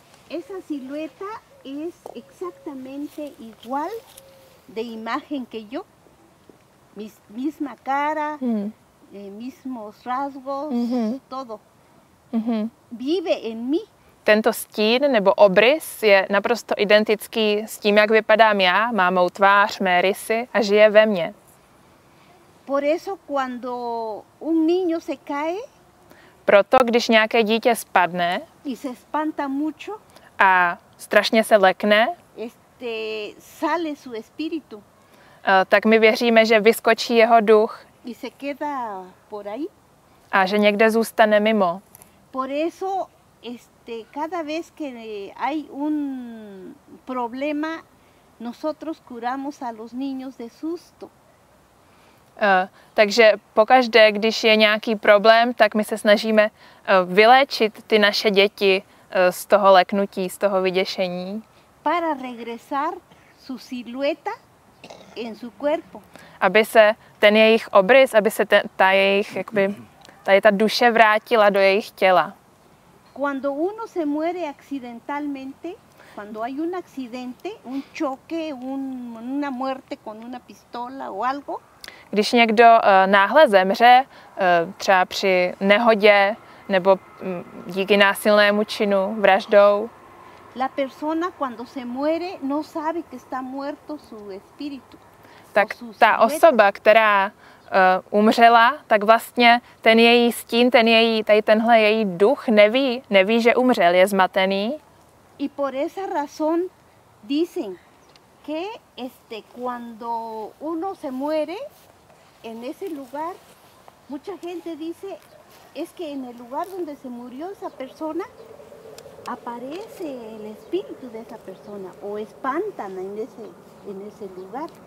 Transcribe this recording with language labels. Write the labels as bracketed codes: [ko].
[es] Esa silueta es exactamente igual de imagen que yo, misma cara, mismos rasgos, todo, vive en mí. [cs] Tento stín nebo obrys je naprosto identický s tím, jak vypadám já, má mou tvář, mé rysy a žije ve mně. [es] Por eso cuando un niño se cae, [cs] proto když nějaké dítě spadne [es] y se espanta mucho, [cs] a strašně se lekne, [es] sale su espíritu. [cs] Tak my věříme, že vyskočí jeho duch. [es] Y se queda por ahí. [cs] A že někde zůstane mimo. [es] Por eso, cada vez que hay un problema, nosotros curamos a los niños de susto. [cs] Takže pokaždé, když je nějaký problém, tak my se snažíme vyléčit ty naše děti z toho leknutí, z toho vyděšení. [es] Para regresar su silueta en su cuerpo. [cs] Aby se ten jejich obrys, aby se ta jejich jakoby ta duše vrátila do jejich těla. [es] Cuando uno se muere accidentalmente, cuando hay un accidente, un choque, una muerte con una pistola o algo. [cs] Když někdo náhle zemře, třeba při nehodě nebo díky násilnému činu, vraždou. [es] La persona cuando se muere no sabe que está muerto su espíritu. [cs] Tak ta osoba, která umřela, tak vlastně ten její stín, tenhle její duch neví, že umřel, je zmatený. [es] Y por esa razón dicen que cuando uno se muere en ese lugar, mucha gente dice es que en el lugar donde se murió esa persona aparece el espíritu de esa persona o espantan en ese lugar.